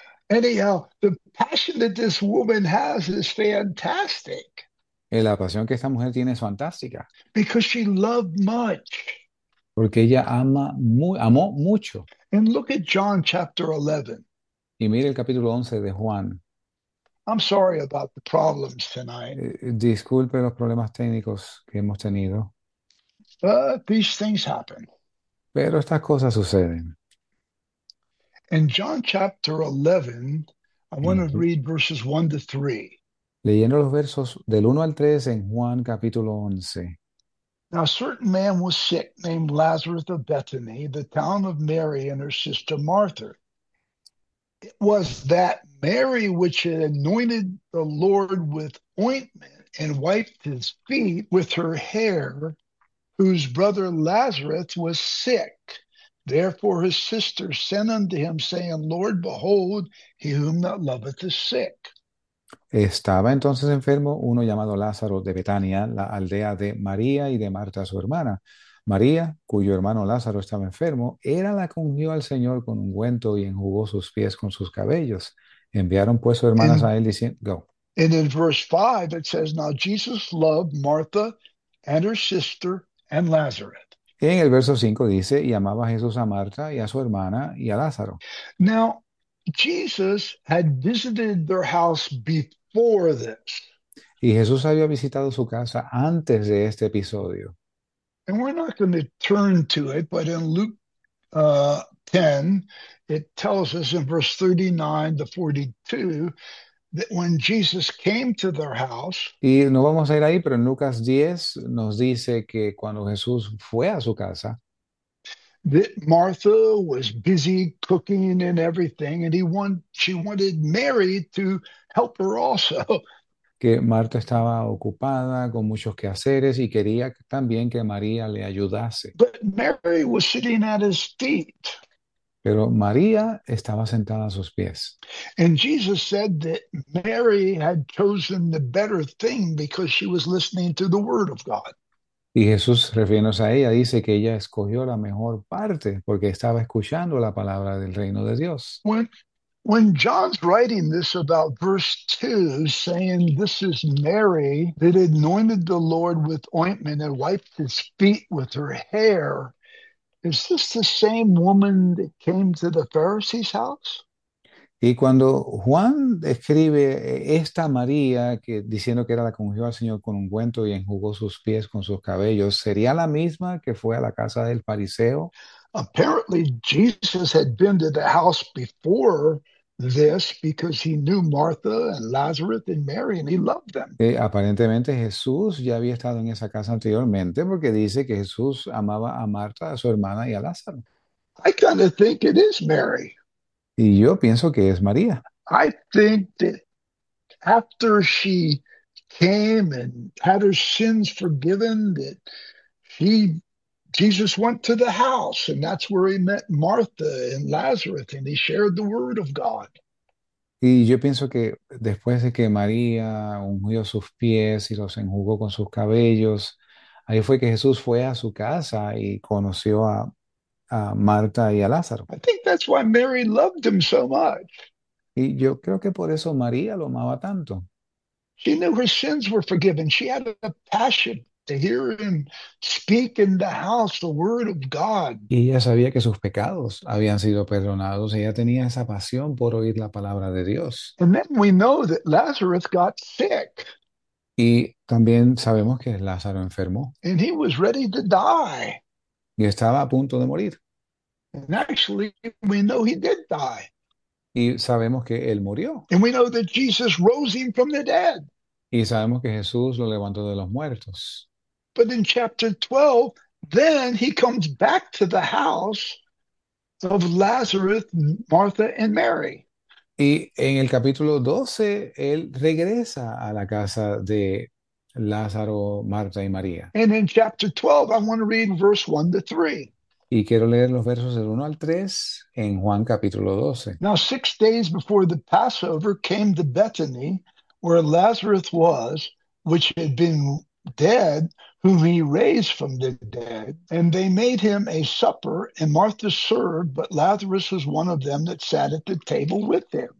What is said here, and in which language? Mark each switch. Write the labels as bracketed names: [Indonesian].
[English] Anyhow, the passion that this woman has is fantastic. [Spanish] La pasión que esta mujer tiene es fantástica. [English] Because she loved much. [Spanish] Porque ella ama muy, amó mucho. [English] And look at John chapter 11. [Spanish] Y mire el capítulo 11 de Juan. [English] I'm sorry about the problems tonight. [Spanish] Disculpe los problemas técnicos que hemos tenido. [English] But these things happen. [Spanish] Pero estas cosas suceden. [English] In John chapter 11, I want to read verses 1 to 3. [Spanish] Leyendo los versos del 1 al 3 en Juan capítulo 11. [English] Now, a certain man was sick named Lazarus of Bethany, the town of Mary and her sister Martha. It was that Mary which had anointed the Lord with ointment and wiped his feet with her hair, whose brother Lazarus was sick. Therefore, his sister sent unto him, saying, Lord, behold, he whom thou lovest is sick. [Spanish] Estaba entonces enfermo uno llamado Lázaro de Betania, la aldea de María y de Marta, su hermana. María, cuyo hermano Lázaro estaba enfermo, era la que ungió al Señor con ungüento y enjugó sus pies con sus cabellos. Enviaron pues sus hermanas a él diciendo, Go. [English] And in verse 5, it says, Now Jesus loved Martha and her sister and Lazarus. [Spanish] En el verso 5 dice, y amaba a Jesús a Marta y a su hermana y a Lázaro. [English] Now, Jesus had visited their house before this. [Spanish] Y Jesús había visitado su casa antes de este episodio. [English] And we're not going to turn to it, but in Luke 10, it tells us in verse 39 to 42 that when Jesus came to their house, [Spanish] Y no vamos a ir ahí, pero en Lucas 10 nos dice que cuando Jesús fue a su casa, [English] that Martha was busy cooking and everything, and she wanted Mary to help her also. [Spanish] que Marta estaba ocupada con muchos quehaceres y quería también que María le ayudase. [English] But Mary was sitting at his feet. [Spanish] Pero María estaba sentada a sus pies. [English] And Jesus said that Mary had chosen the better thing because she was listening to the word of God. [Spanish] Y Jesús, refiriéndose a ella, dice que ella escogió la mejor parte porque estaba escuchando la palabra del reino de Dios. [English] When John's writing this about verse 2, saying this is Mary that anointed the Lord with ointment and wiped his feet with her hair, is this the same woman that came to the Pharisee's house? [Spanish] Y cuando Juan describe esta María que diciendo que era la que ungió al Señor con ungüento y enjugó sus pies con sus cabellos, ¿sería la misma que fue a la casa del fariseo? [English] Apparently, Jesus had been to the house before this because he knew Martha and Lazarus and Mary and he loved them. [Spanish] Aparentemente Jesús ya había estado en esa casa anteriormente porque dice que Jesús amaba a Marta, a su hermana y a Lázaro. [English] I kind of think it is Mary. [Spanish] Y yo pienso que es María. [English] I think that after she came and had her sins forgiven, that she. Jesus went to the house, and that's where he met Martha and Lazarus, and he shared the word of God. [Spanish] Y yo pienso que después de que María ungió sus pies y los enjugó con sus cabellos, ahí fue que Jesús fue a su casa y conoció a Marta y a Lázaro. [English] I think that's why Mary loved him so much. [Spanish] Y yo creo que por eso María lo amaba tanto. [English] She knew her sins were forgiven. She had a passion to hear him speak in the house the word of God. [Spanish] Y ella sabía que sus pecados habían sido perdonados. Ella tenía esa pasión por oír la palabra de Dios. [English] And then we know that Lazarus got sick. [Spanish] Y también sabemos que Lázaro enfermó. [English] And he was ready to die. [Spanish] Y estaba a punto de morir. [English] And actually, we know he did die. [Spanish] Y sabemos que él murió. [English] And we know that Jesus rose him from the dead. [Spanish] Y sabemos que Jesús lo levantó de los muertos. [English] But in chapter 12, then he comes back to the house of Lazarus, Martha, and Mary. [Spanish] Y en el capítulo 12, él regresa a la casa de Lázaro, Marta y María. [English] And in chapter 12, I want to read verse 1 to 3. [Spanish] Y quiero leer los versos del 1 al 3 en Juan capítulo 12. [English] Now, 6 days before the Passover came to Bethany, where Lazarus was, which had been dead, whom he raised from the dead. And they made him a supper, and Martha served, but Lazarus was one of them that sat at the table with them.